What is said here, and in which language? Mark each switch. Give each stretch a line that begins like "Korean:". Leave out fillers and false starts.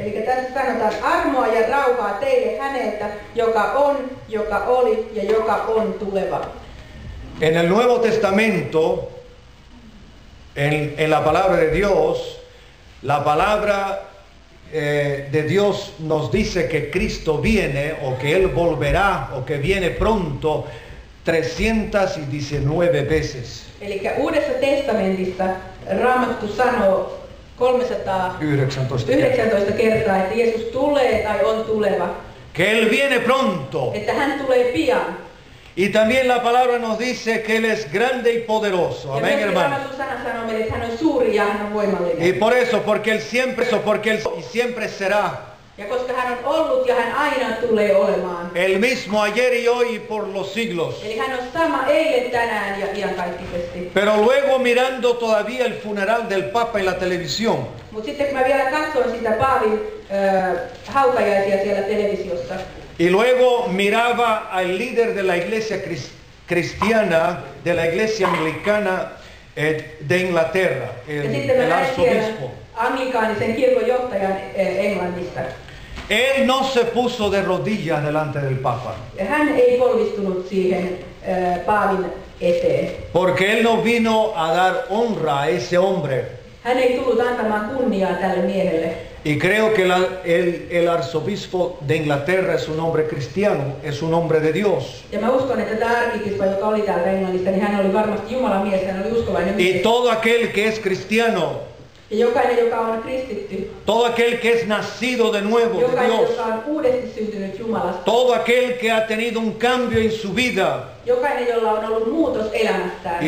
Finnish: Eli tässä sanotaan armoa ja rauhaa teille häneltä, joka on, joka oli ja joka on tuleva.
Spanish: En el Nuevo Testamento, en la palabra de Dios, la palabra de Dios nos dice que Cristo viene o que Él volverá o que viene pronto 319 veces.
Finnish: Eli Uudessa testamentissa Raamattu sanoo 319 kertaa, että Jeesus tulee tai on tuleva.
Spanish: Que él viene pronto.
Finnish: Että hän tulee pian.
Spanish: Y también la palabra nos dice que él es grande y poderoso. Amén, hermano.
Finnish: Raamatun sana sanoo meille, että hän on suuri ja hän on voimallinen.
Spanish: Y por eso, porque él siempre es, porque él y siempre será.
Finnish: Ja koska hän on ollut ja hän aina tulee olemaan.
Spanish: El mismo ayer y hoy y por los siglos.
Finnish: Eli hän on sama eilen, tänään ja iankaikkisesti.
Spanish: Pero luego mirando todavía el funeral del Papa en la televisión.
Finnish: Mut sitten kun mä vielä katson sitä paavin hautajaisia siellä televisiossa.
Spanish: Y luego miraba al líder de la iglesia cristiana, de la iglesia anglicana de Inglaterra, el arzobispo.
Finnish: Anglikaanisen kirkonjohtajan Englannista.
Spanish: Él no se puso de rodillas delante del Papa.
Finnish: Hän ei polvistunut siihen paavin eteen.
Spanish: Porque él no vino a dar honra a ese hombre.
Finnish: Hän ei tullut antamaan kunniaa tälle miehelle.
Spanish: Y creo que el arzobispo de Inglaterra es un hombre cristiano, es un hombre de Dios.
Finnish: Ja mä uskon, että tämä arkkipiispa, joka oli täällä Englannista, niin hän oli varmasti Jumalan mies, hän oli uskovainen mies.
Spanish: Y todo aquel que es cristiano.
Finnish: Ja jokainen, joka on kristitty.
Spanish: Todo aquel que es nacido de nuevo de Dios.
Finnish: Jokainen, joka on uudesti syntynyt Jumalasta.
Spanish: Todo aquel que ha tenido un cambio en su vida.
Finnish: Jokainen, jolla on ollut muutos elämässään.